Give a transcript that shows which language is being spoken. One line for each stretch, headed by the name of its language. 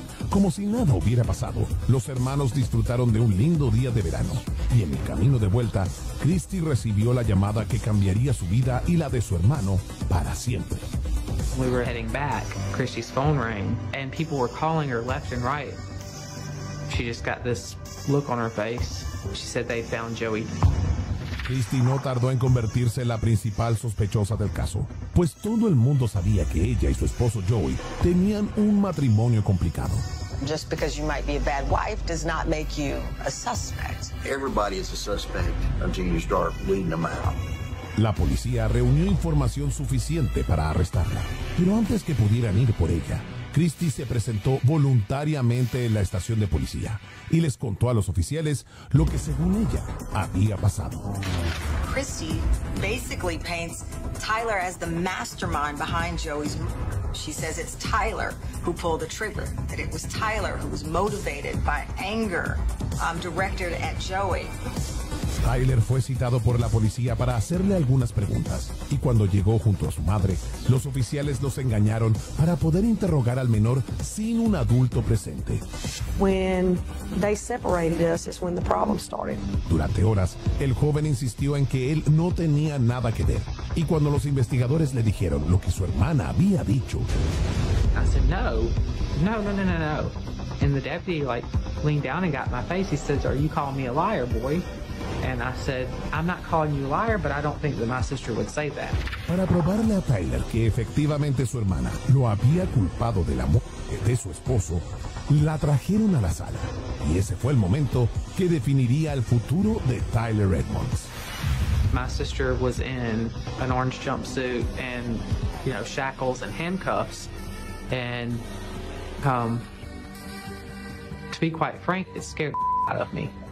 Spanish: Como si nada hubiera pasado, los hermanos disfrutaron de un lindo día de verano. Y en el camino de vuelta, Christy recibió la llamada que cambiaría su vida y la de su hermano para siempre.
English: We were heading back. Christy's phone rang, and people were calling her left and right. She just got this look on her face. She said they found Joey.
Spanish: Christy no tardó en convertirse en la principal sospechosa del caso, pues todo el mundo sabía que ella y su esposo Joey tenían un matrimonio complicado.
English: Just because you might be a bad wife does not make you a suspect. Everybody is a suspect until you start weeding them out.
Spanish: La policía reunió información suficiente para arrestarla, pero antes que pudieran ir por ella, Christy se presentó voluntariamente en la estación de policía y les contó a los oficiales lo que según ella había pasado.
English: Christy basically paints Tyler as the mastermind behind Joey's murder. She says it's Tyler who pulled the trigger, that it was Tyler who was motivated by anger directed at Joey.
Spanish: Tyler fue citado por la policía para hacerle algunas preguntas, y cuando llegó junto a su madre, los oficiales los engañaron para poder interrogar al menor sin un adulto presente.
English: When they separated us is when the problem started.
Spanish: Durante horas, el joven insistió en que él no tenía nada que ver, y cuando los investigadores le dijeron lo que su hermana había dicho,
English: I said no, no, no, no, no, no. And the deputy like leaned down and got my face. He says, "Are you calling me a liar, boy?" And I said, I'm not calling you a liar, but I don't think that my sister would say that.
Spanish: Para probarle a Tyler que efectivamente su hermana lo había culpado de la muerte de su esposo, la trajeron a la sala. Y ese fue el momento que definiría el futuro de Tyler Edmonds.
English: My sister was in an orange jumpsuit and, you know, shackles and handcuffs. And, to be quite frank, it scared the out of me.